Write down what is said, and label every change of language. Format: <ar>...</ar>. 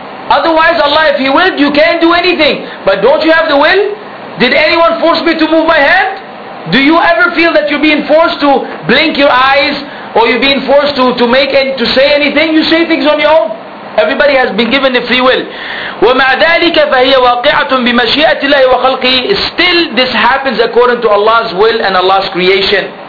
<en>Otherwise, Allah, if He willed, you can't do anything. But don't you have the will? Did anyone force me to move my hand? Do you ever feel that you're being forced to blink your eyes, or you're being forced to say anything? You say things on your own. Everybody has been given a free will.</en> <ar>ومع ذلك فهي واقعة بمشيئة الله وخلقه.</ar> <en>Still, this happens according to Allah's will and Allah's creation.</en>